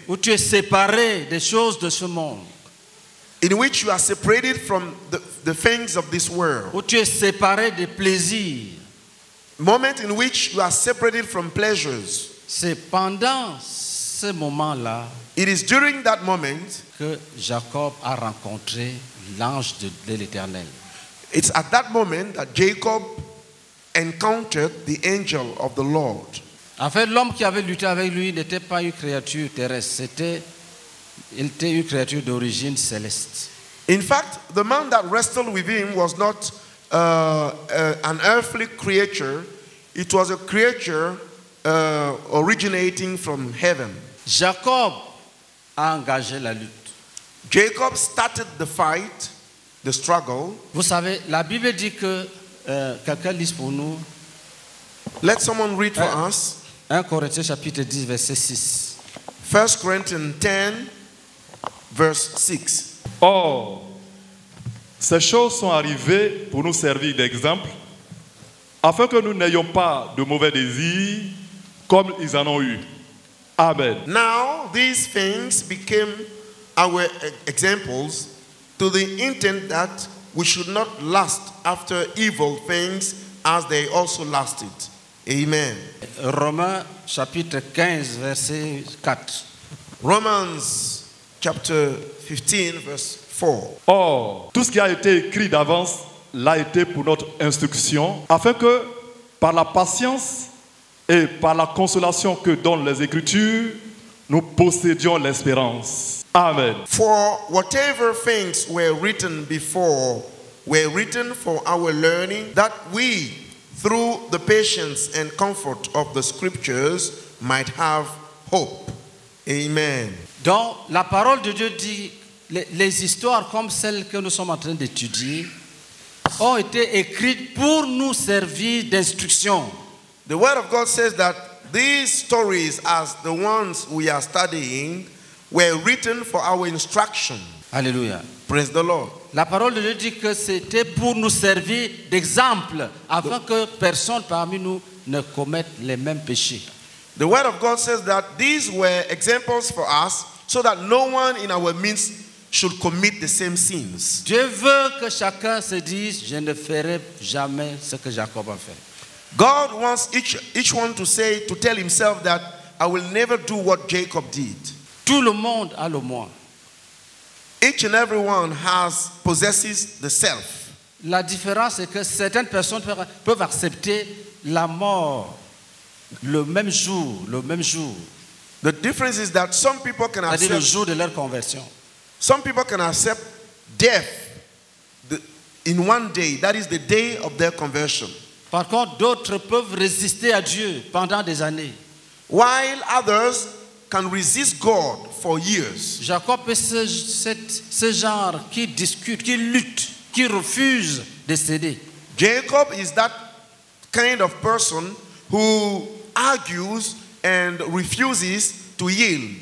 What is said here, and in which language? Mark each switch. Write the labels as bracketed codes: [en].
[fr] Où tu es séparé des choses de ce monde. [en] In which you are separated from the things of this world. [fr] Où tu es séparé des plaisirs. [en] Moment in which you are separated from pleasures. [fr] C'est pendant ce moment-là. [en] It is during that moment [fr] que Jacob a rencontré l'ange de l'Éternel. [en] It's at that moment that Jacob encountered the angel of the Lord. [fr] En fait, l'homme qui avait lutté avec lui n'était pas une créature terrestre. Il était une créature d'origine céleste. [en] In fact, the man that wrestled with him was not an earthly creature. It was a creature originating from heaven. [fr] Jacob a engagé la lutte. [en] Jacob started the fight, the struggle. [fr] Vous savez, la Bible dit que quelqu'un lise pour nous. [en] Let someone read for us. [fr] 1 Corinthiens chapitre 10 verset 6. [en] 1 Corinthians 10 verse 6. Oh. [fr] Ces choses sont arrivées pour nous servir d'exemple, afin que nous n'ayons pas de mauvais désirs comme ils en ont eu. Amen. [en] Now these things became our examples to the intent that we should not lust after evil things as they also lusted. Amen. [fr] Romains chapitre 15 verset 4. [en] Romans chapter 15 verse 4. Or, [fr] oh, tout ce qui a été écrit d'avance l'a été pour notre instruction, afin que, par la patience et par la consolation que donnent les Écritures, nous possédions l'espérance. Amen. [en] For whatever things were written before were written for our learning, that we, through the patience and comfort of the Scriptures, might have hope. Amen. [fr] Donc, la parole de Dieu dit. Les histoires comme celles que nous sommes en train d'étudier ont été écrites pour nous servir d'instruction. [en] The word of God says that these stories, as the ones we are studying, were written for our instruction. [fr] Alléluia. [en] Praise the Lord. [fr] La parole de Dieu dit que c'était pour nous servir d'exemple afin que personne parmi nous ne commette les mêmes péchés. [en] The word of God says that these were examples for us so that no one in our midst should commit the same sins. [fr] Dieu veut que chacun se dise, je ne ferai jamais ce que Jacob a fait. [en] God wants each one to say, to tell himself that I will never do what Jacob did. [fr] Tout le monde a le moi. [en] Each and everyone possesses the self. [fr] La différence est que certaines personnes peuvent accepter la mort le même jour. [en] The difference is that some people can accept [fr] le jour de leur conversion. [en] Some people can accept death in one day. That is the day of their conversion. [fr] Par contre, d'autres peuvent résister à Dieu pendant des années. [en] While others can resist God for years. [fr] Jacob est ce genre qui discute, qui lutte, qui refuse de céder. [en] Jacob is that kind of person who argues and refuses to yield.